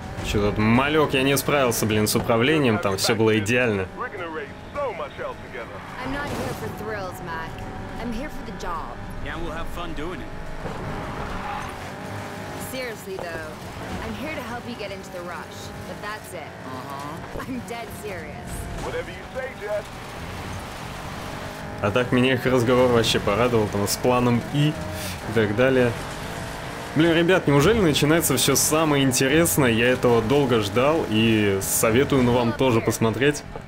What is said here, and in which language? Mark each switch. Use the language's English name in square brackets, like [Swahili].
[Russian] Чё тут, малёк, я не справился, блин, с управлением, там всё было идеально. [English] We're gonna raise so much hell together. I'm not here for thrills, Mac. I'm here for the job. Yeah, and we'll have fun doing it. Seriously, though, I'm here to help you get into the rush, but that's it. Uh-huh. I'm dead serious. Whatever you say, Jess. [Russian] А так меня их разговор вообще порадовал, там, с планом И и так далее. Блин, ребят, неужели начинается все самое интересное? Я этого долго ждал и советую, ну, вам тоже посмотреть.